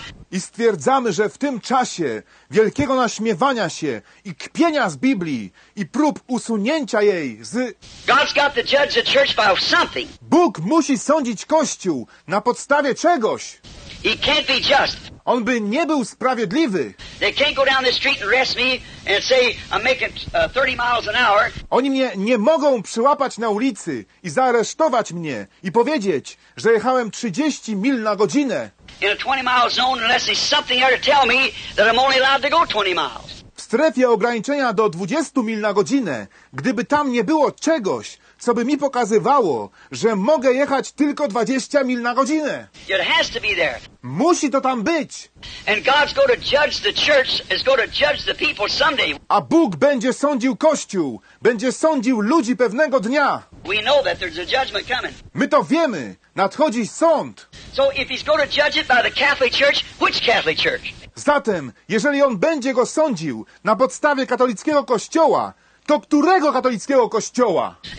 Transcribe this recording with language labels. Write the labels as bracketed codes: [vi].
[pl] I stwierdzamy, że w tym czasie wielkiego naśmiewania się i kpienia z Biblii i prób usunięcia jej z... [en] God's got to judge the church by something. [pl] Bóg musi sądzić Kościół na podstawie czegoś. [en] He can't be just. [pl] On by nie był sprawiedliwy. [en] They can't go down the street and arrest me and say I'm making 30 miles an hour. [pl] Oni mnie nie mogą przyłapać na ulicy i zaaresztować mnie i powiedzieć, że jechałem 30 mil na godzinę. [en] In a 20 mile zone unless there's something there to tell me that I'm only allowed to go 20 miles. [pl] W strefie ograniczenia do 20 mil na godzinę, gdyby tam nie było czegoś, co by mi pokazywało, że mogę jechać tylko 20 mil na godzinę. [en] It has to be there. [pl] Musi to tam być. [en] And God's going to judge the church, is going to judge the people someday. [pl] A Bóg będzie sądził Kościół, będzie sądził ludzi pewnego dnia. [en] We know that there's a judgment coming. [pl] My to wiemy, nadchodzi sąd. [en] So if he's going to judge it by the Catholic Church, which Catholic Church? [pl] Zatem, jeżeli on będzie go sądził na podstawie katolickiego kościoła, to którego katolickiego kościoła?